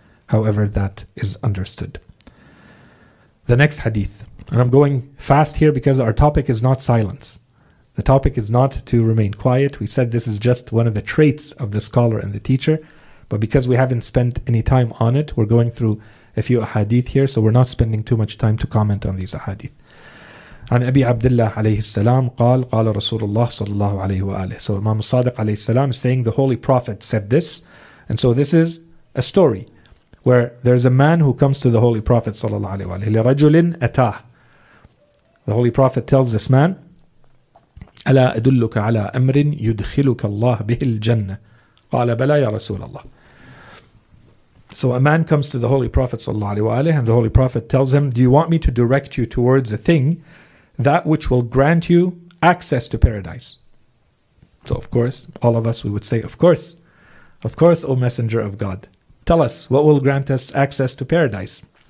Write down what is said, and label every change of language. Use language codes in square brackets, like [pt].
[en] However, that is understood. The next hadith, and I'm going fast here because our topic is not silence. The topic is not to remain quiet. We said this is just one of the traits of the scholar and the teacher. But because we haven't spent any time on it, we're going through a few ahadith here, so we're not spending too much time to comment on these ahadith. [ar] عن أبي عبد الله عليه السلام قال قال رسول الله صلى الله عليه وآله. [en] So Imam Sadiq [ar] عليه السلام [en] is saying the Holy Prophet said this. And so this is a story where there's a man who comes to the Holy Prophet [ar] صلى الله عليه وآله. لرجل أتاه. [en] The Holy Prophet tells this man, [ar] ألا أدلك على أمر يدخلك الله به الجنة. قال بلى يا رسول الله. [en] So a man comes to the Holy Prophet sallallahu alaihi wa alihi, and the Holy Prophet tells him, do you want me to direct you towards a thing that which will grant you access to paradise? So of course, all of us, we would say, of course, O Messenger of God, tell us what will grant us access to paradise.